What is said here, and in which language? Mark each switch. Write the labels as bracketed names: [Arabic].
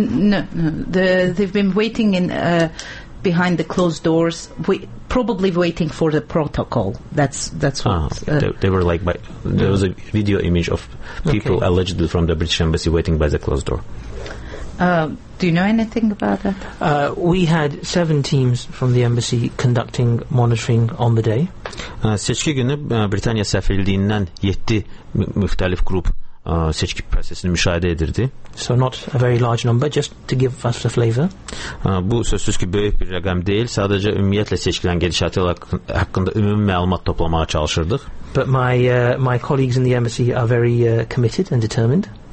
[English] They've been waiting in behind the closed doors, probably waiting for the protocol. That's what They were like. There was a video image of people allegedly from the British embassy waiting by the closed door. Do you know anything about that? We had 7 teams from the embassy conducting monitoring on the day. [Azerbaijani] Seçki günü Britaniya səfirliyindən 7 müxtəlif qrup seçki prosesini müşahidə edirdi. [English] So not a very large number, just to give us the flavor. [Azerbaijani] Bu sözsüz ki böyük bir rəqəm deyil, sadəcə ümumiyyətlə seçkilərin gedişatı haqqında ümumi məlumat toplamağa çalışırdıq. [English] But my colleagues in the embassy are very committed and determined.